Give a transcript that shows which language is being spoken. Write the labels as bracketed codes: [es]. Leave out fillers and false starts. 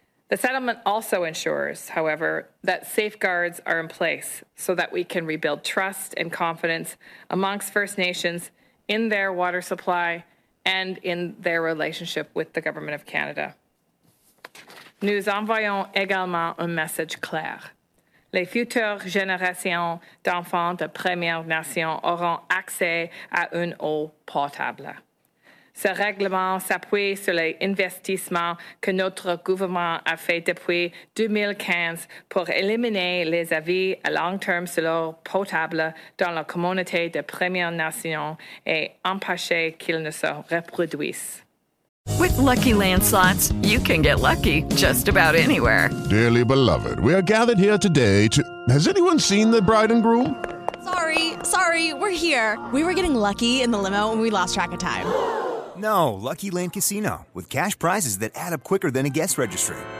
[en] The settlement also ensures, however, that safeguards are in place so that we can rebuild trust and confidence amongst First Nations in their water supply and in their relationship with the Government of Canada. [fr] Nous envoyons également un message clair. Les futures générations d'enfants de Première Nation auront accès à une eau potable. Ce règlement s'appuie sur les investissements que notre gouvernement a fait depuis 2015 pour éliminer les avis à long terme sur l'eau potable dans la communauté de Première Nation et empêcher qu'ils ne se reproduisent. [en] With Lucky Land Slots, you can get lucky just about anywhere. Dearly beloved, we are gathered here today to... Has anyone seen the bride and groom? Sorry, sorry, we're here. We were getting lucky in the limo and we lost track of time. No, Lucky Land Casino, with cash prizes that add up quicker than a guest registry.